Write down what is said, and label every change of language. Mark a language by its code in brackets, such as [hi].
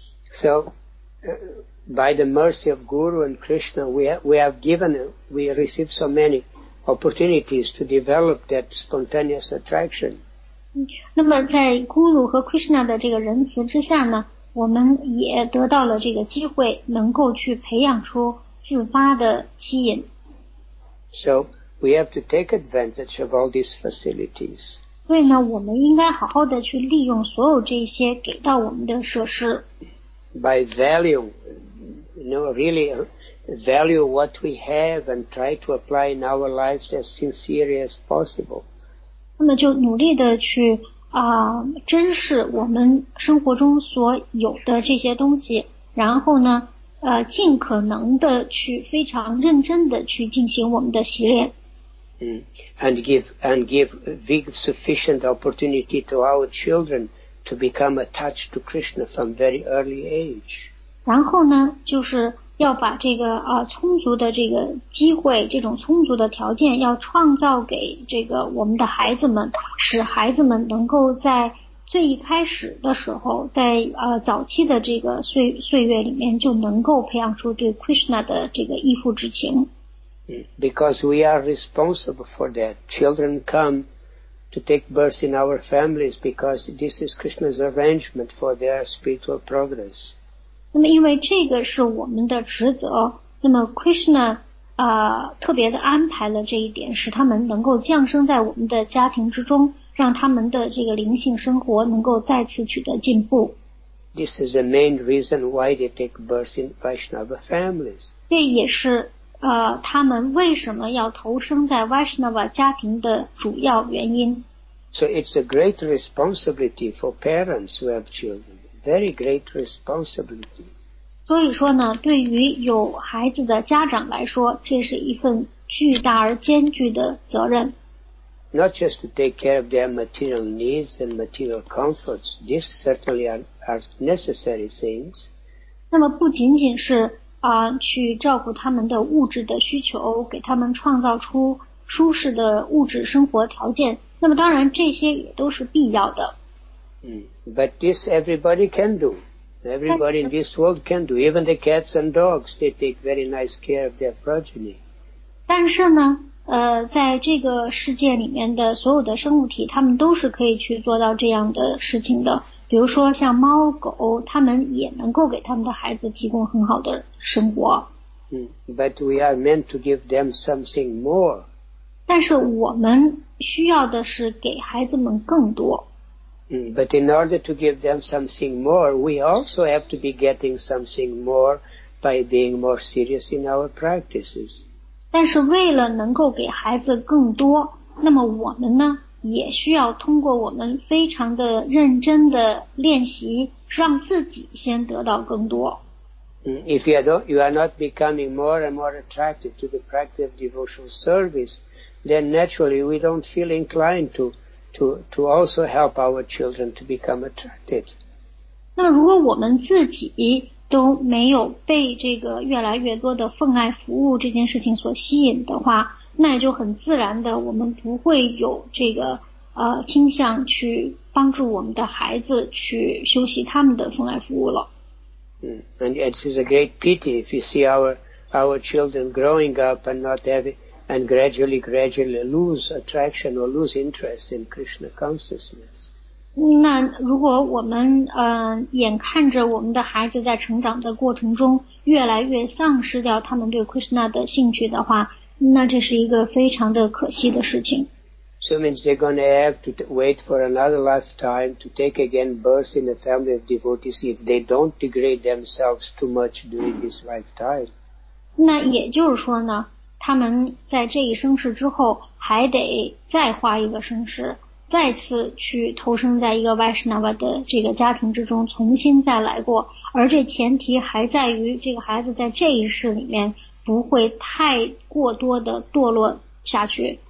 [en] So, by the mercy of Guru and Krishna, we received so many opportunities to develop that spontaneous attraction. [zh] 那么在 Guru 和 Krishna 的这个仁慈之下呢，我们也得到了这个机会，能够去培养出自发的吸引。 [en] So, we have to take advantage of all these facilities. [zh] 所以呢，我们应该好好的去利用所有这些给到我们的设施。 [en] By value, you know, really value what we have and try to apply in our lives as sincerely as possible. [zh] 那么就努力的去珍视我们生活中所有的这些东西，然后呢，尽可能的去非常认真的去进行我们的习练。 [en] And give sufficient opportunity to our children to become attached to Krishna from very early age. [zh] 然后呢，就是要把这个充足的这个机会，这种充足的条件要创造给这个我们的孩子们，使孩子们能够在最一开始的时候，在早期的这个岁月里面，就能够培养出对 Krishna 的这个依附之情。 [en] Because we are responsible for that. Children come to take birth in our families because this is Krishna's arrangement for their spiritual progress. [zh] 那么因为这个是我们的职责，那么 Krishna 特别的安排了这一点，使他们能够降生在我们的家庭之中，让他们的这个灵性生活能够再次取得进步。 [en] This is the main reason why they take birth in Vaishnava families. [zh] 这也是他们为什么要投生在 Vaishnava 家庭的主要原因。 [en] So it's a great responsibility for parents who have children. Very great responsibility. [zh] 所以说呢，对于有孩子的家长来说，这是一份巨大而艰巨的责任。 [en] Not just to take care of their material needs and material comforts, these certainly are necessary things. [zh] 那么不仅仅是去照顾他们的物质的需求，给他们创造出舒适的物质生活条件，那么当然这些也都是必要的。 [en] But this everybody can do. Everybody in this world can do. Even the cats and dogs, they take very nice care of their progeny. [zh] 但是呢，在这个世界里面的所有的生物体，他们都是可以去做到这样的事情的。比如说像猫狗，他们也能够给他们的孩子提供很好的生活。 [en] But we are meant to give them something more. [zh] 但是我们需要的是给孩子们更多。 [en] But in order to give them something more, we also have to be getting something more by being more serious in our practices. [zh] 但是为了能够给孩子更多，那么我们呢，也需要通过我们非常的认真的练习，让自己先得到更多。 [en] If you are not becoming more and more attracted to the practice of devotional service, then naturally we don't feel inclined to also help our children to become attracted. [zh] 那如果我们自己都没有被这个越来越多的奉爱服务这件事情所吸引的话，那也就很自然的，我们不会有这个倾向去帮助我们的孩子去修习他们的奉爱服务了。 [en] And it is a great pity if you see our children growing up and not having and gradually lose attraction or lose interest in Krishna consciousness. [zh] 那如果我们眼看着我们的孩子在成长的过程中越来越丧失掉他们对 Krishna 的兴趣的话，那这是一个非常的可惜的事情。 [en] So means they're going to have to wait for another lifetime to take again birth in a family of devotees if they don't degrade themselves too much during this lifetime. [zh] 那也就是说呢，他们在这一生世之后还得再花一个生世，再次去投生在一个 Vaishnava 的这个家庭之中，重新再来过。而这前提还在于这个孩子在这一世里面不会太过多的堕落下去。